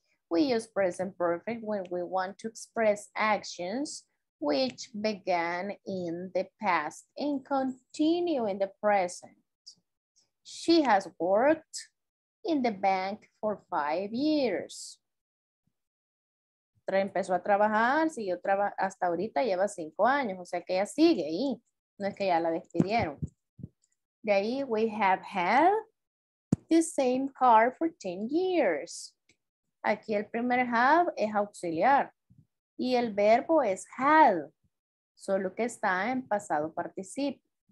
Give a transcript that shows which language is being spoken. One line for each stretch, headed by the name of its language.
English: We use present perfect when we want to express actions which began in the past and continue in the present. She has worked in the bank for 5 years.
Spanish: Empezó a trabajar, siguió hasta ahorita lleva 5 años, o sea que ella sigue ahí, no es que ya la despidieron. De ahí,
English: we have had the same car for 10 years.
Spanish: Aquí el primer have es auxiliar y el verbo es had, solo que está en pasado participio.